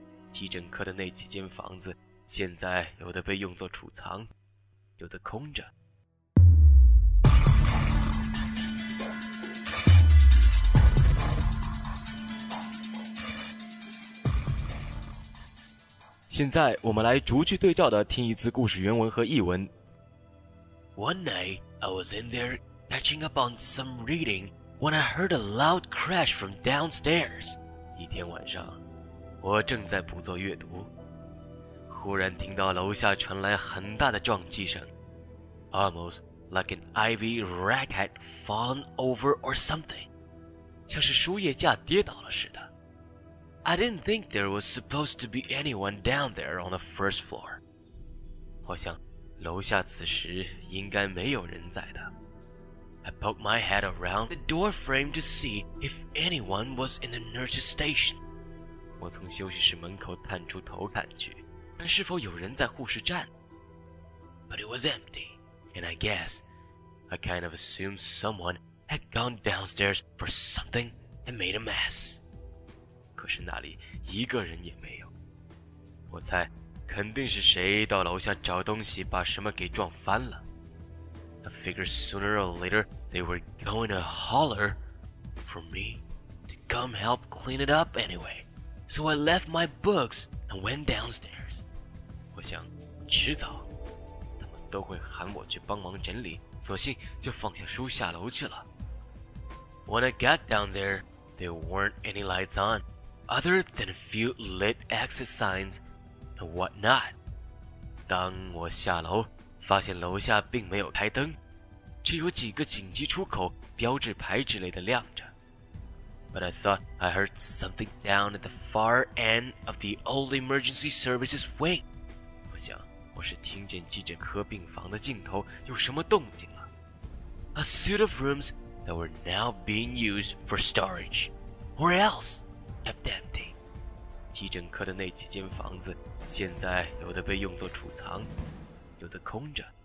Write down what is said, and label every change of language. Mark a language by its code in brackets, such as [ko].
[zh] 急诊科的那几间房子，现在有的被用作储藏，有的空着。现在我们来逐句对照的听一次故事原文和译文。 [en] One night, I was in there catching up on some reading when I heard a loud crash from downstairs. [zh] 一天晚上，我正在捕捉阅读，忽然听到楼下传来很大的撞击声 ， [en] almost like an ivy rag had fallen over or something， [zh] 像是书页架跌倒了似的。 [en] I didn't think there was supposed to be anyone down there on the first floor. [zh] 我想楼下此时应该没有人在的。 [en] I poked my head around the doorframe to see if anyone was in the nurse's station. [zh] 我从休息室门口探出头看去，看是否有人在护士站。 [en] But it was empty, and I guess I kind of assumed someone had gone downstairs for something and made a mess. [zh] 可是那里一个人也没有。我猜肯定是谁到楼下找东西把什么给撞翻了。 [en] I figured sooner or later they were going to holler for me to come help clean it up anyway. So I left my books and went downstairs. [zh] 我想迟早他们都会喊我去帮忙整理，索性就放下书下楼去了。 [en] When I got down there, there weren't any lights on. Other than a few lit exit signs and whatnot. [zh] 当我下楼，发现楼下并没有开灯，只有几个紧急出口标志牌之类的亮着。 [en] But I thought I heard something down at the far end of the old emergency services wing. [zh] 我想，我是听见急诊科病房的尽头有什么动静了。 [en] A suite of rooms that were now being used for storage. Or else...kept empty. [zh] 急诊科的那几间房子，现在有的被用作储藏，有的空着。